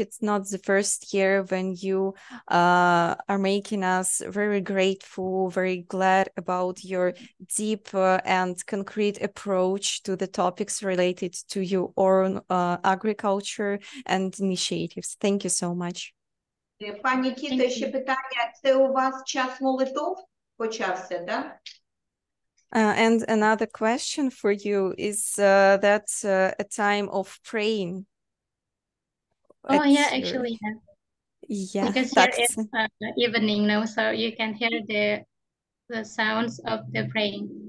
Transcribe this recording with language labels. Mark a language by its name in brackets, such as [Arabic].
[English] It's not the first year when you are making us very grateful, very glad about your deep and concrete approach to the topics related to your own agriculture and initiatives. Thank you so much. [Ukrainian] Пані Тіто, ще питання, це у вас час молитов почався, да? [English] And another question for you is that a time of praying? Oh, yeah, actually, yeah. Because here it's evening now, so you can hear the sounds of the praying.